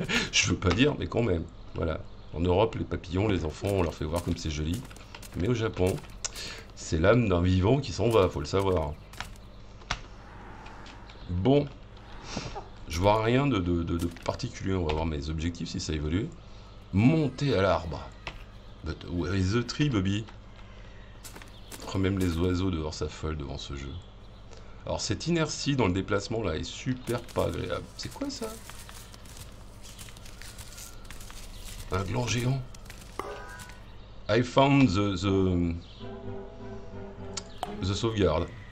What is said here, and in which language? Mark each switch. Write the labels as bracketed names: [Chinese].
[French] Je veux pas dire, mais quand même. Voilà. En Europe, les papillons, les enfants, on leur fait voir comme c'est joli. Mais au Japon, c'est l'âme d'un vivant qui s'en va, faut le savoir. Bon. Je vois rien de particulier. On va voir mes objectifs si ça évolue. Monter à l'arbre. [English] But where is the tree, Bobby? [French] Même les oiseaux dehors s'affolent devant ce jeu. Alors, cette inertie dans le déplacement là est super pas agréable. C'est quoi ça? Un gland géant. [English] I found the [French] sauvegarde.